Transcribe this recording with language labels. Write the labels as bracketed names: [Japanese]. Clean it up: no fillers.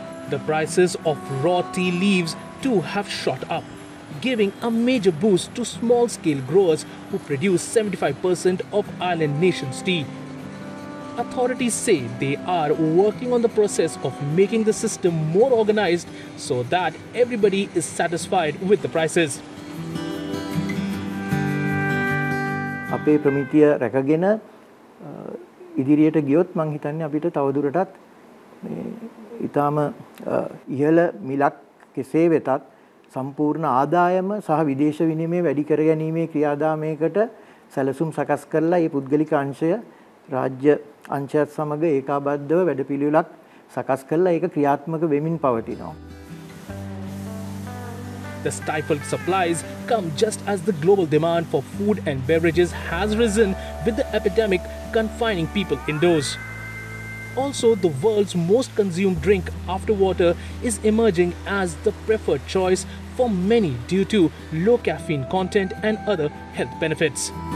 [English] The prices of raw tea leaves too have shot up, giving a major boost to small-scale growers who produce 75% of island nation's tea. Authorities say they are working on the process of making the system more organized so that everybody is satisfied with the prices. [Sinhala] අපේ ප්‍රමිතිය රැකගෙන ඉදිරියට ගියොත් මං හිතන්නේ අපිට තවදුරටත් මේ ඊටාම ඉහළ මිලක් කෙසේ වෙතත් සම්පූර්ණ ආදායම සහ විදේශ විනිමය වැඩි කර ගැනීමේ ක්‍රියාදාමයකට සැලසුම් සකස් කරලා මේ පුද්ගලික අංශය රාජ්‍ය අංශයත් සමග ඒකාබද්ධව වැඩපිළිවෙලක් සකස් කරලා ඒක ක්‍රියාත්මක වෙමින් පවතිනවා. [English] The stifled supplies come just as the global demand for food and beverages has risen with the epidemic confining people indoors. Also, the world's most consumed drink after water is emerging as the preferred choice for many due to low caffeine content and other health benefits.